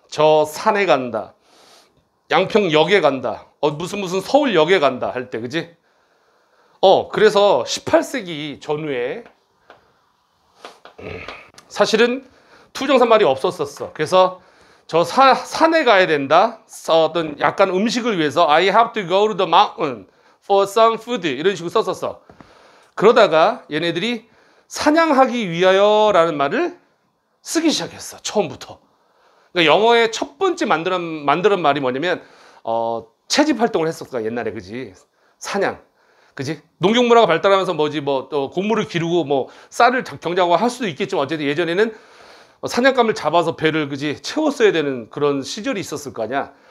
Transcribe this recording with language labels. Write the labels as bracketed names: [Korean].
[Korean] 저 산에 간다. 양평역에 간다. 어, 무슨 무슨 서울역에 간다 할 때, 그지? 어, 그래서 18세기 전후에 사실은 투정사 말이 없었었어. 그래서 저 산에 가야 된다. 어떤 약간 음식을 위해서 [English] I have to go to the mountain for some food [Korean] 이런 식으로 썼었어. 그러다가 얘네들이 사냥하기 위하여라는 말을 쓰기 시작했어, 처음부터. 그러니까 영어의 첫 번째 만드는 말이 뭐냐면 채집 활동을 했었어, 옛날에. 그지? 사냥. 그지? 농경 문화가 발달하면서 뭐지 뭐 또 곡물을 기르고 뭐 쌀을 경작하고 할 수도 있겠지만 어쨌든 예전에는 사냥감을 잡아서 배를 그지 채웠어야 되는 그런 시절이 있었을 거 아니야.